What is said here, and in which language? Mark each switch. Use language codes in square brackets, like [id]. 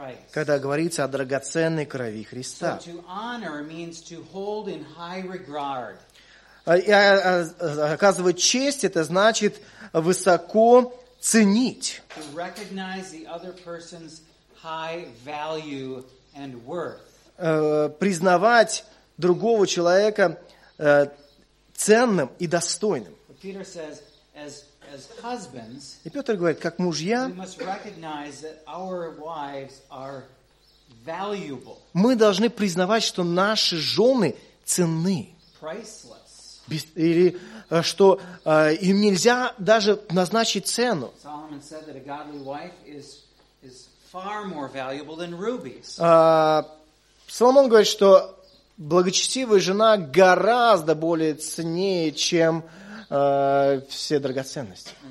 [ru] Когда говорится о драгоценной крови Христа. [en] So to honor means to hold in high regard. [ru] Оказывать честь, это значит высоко ценить. [en] To recognize the other person's high value and worth. [ru] Признавать другого человека ценным и достойным. [en] Peter says, as husbands, [ru] и Петр говорит, как мужья, [en] we must recognize that our wives are valuable. [ru] Мы должны признавать, что наши жены ценны. [en] Priceless. [ru] Или что им нельзя даже назначить цену. [en] Solomon said that a godly wife is far more valuable than rubies. [ru] Соломон говорит, что благочестивая жена гораздо более ценнее, чем все драгоценности.